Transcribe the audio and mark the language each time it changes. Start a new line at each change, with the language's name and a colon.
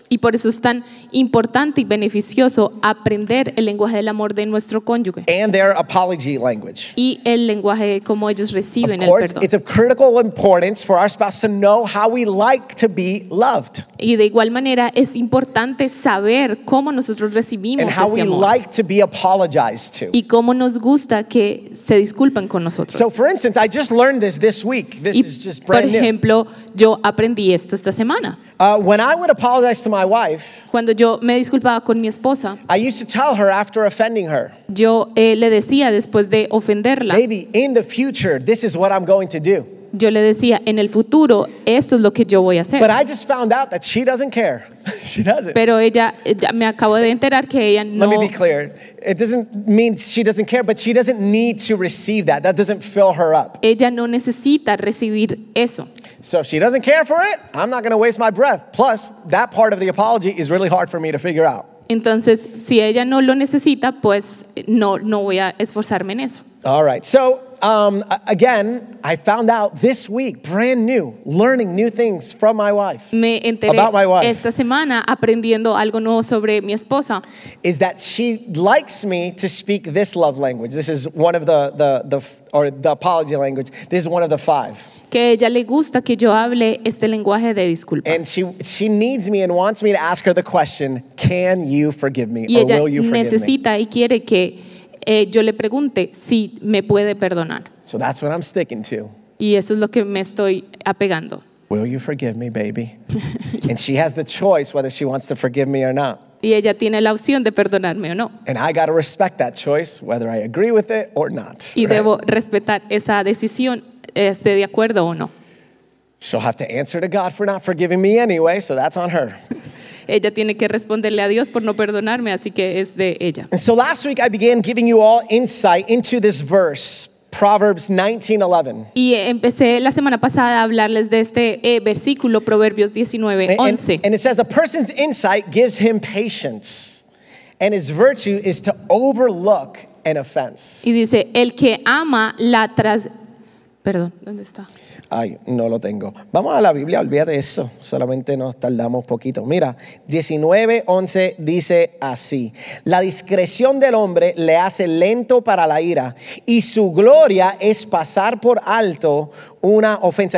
Spanish: Y por eso es tan importante y beneficioso aprender el lenguaje del amor de nuestro cónyuge.
English: And their apology language.
Spanish: Y el lenguaje como ellos reciben el perdón.
English: Of course, it's of critical importance for our spouse to know how we like to be loved.
Spanish: Y de igual manera es importante saber cómo nosotros recibimos ese amor.
English: And how we like to be apologized to.
Spanish: Y cómo nos gusta que se disculpen con nosotros.
English: So for instance, I just learned this week. This is just brand new.
Spanish: Por ejemplo, yo aprendí esto esta semana.
English: When I would apologize to my wife,
Spanish: cuando yo me disculpaba con mi esposa,
English: I used to tell her after offending her.
Spanish: Yo le decía después de ofenderla.
English: Baby, in the future, this is what I'm going to do.
Spanish: Yo le decía, en el futuro, esto es lo que yo voy a hacer.
English: But I just found out that she doesn't care. She doesn't.
Spanish: Pero ella me acabo de enterar que ella no.
English: Let me be clear. It doesn't mean she doesn't care, but she doesn't need to receive that. That doesn't fill her up.
Spanish: Ella no necesita recibir eso.
English: So if she doesn't care for it, I'm not going to waste my breath. Plus, that part of the apology is really hard for me to figure out.
Spanish: Entonces, si ella no lo necesita, pues no voy a esforzarme en eso.
English: All right. So, again, I found out this week, brand new, learning new things from my wife.
Spanish: Me enteré
English: about my wife.
Spanish: Esta semana aprendiendo algo nuevo sobre mi esposa.
English: Is that she likes me to speak this love language. This is one of the apology language. This is one of the five.
Spanish: Que ella le gusta que yo hable este lenguaje de disculpa.
English: And she needs me and wants me to ask her the question, can you forgive me or will you forgive me?
Spanish: Y ella necesita y quiere que yo le pregunte si me puede perdonar.
English: So that's what I'm sticking to.
Spanish: Y eso es lo que me estoy apegando.
English: Will you forgive me, baby? And she has the choice whether she wants to forgive me or not.
Spanish: Y ella tiene la opción de perdonarme o no.
English: And I got to respect that choice whether I agree with it or not.
Spanish: Y
English: right?
Spanish: Debo respetar esa decisión. ¿Esté de acuerdo o no?
English: She'll have to answer to God for not forgiving me anyway, so that's on her.
Spanish: Ella tiene que responderle a Dios por no perdonarme, así que es de ella.
English: And so last week I began giving you all insight into this verse, Proverbs 19:11.
Spanish: Y empecé la semana pasada a hablarles de este versículo, Proverbios 19:11.
English: And it says, a person's insight gives him patience, and his virtue is to overlook an offense.
Spanish: Y dice, el que ama la Perdón, ¿dónde está? Ay, no lo tengo. Vamos a la Biblia, olvídate eso. Solamente nos tardamos poquito. Mira, 19:11 dice así. La discreción del hombre le hace lento para la ira y su gloria es pasar por alto una ofensa.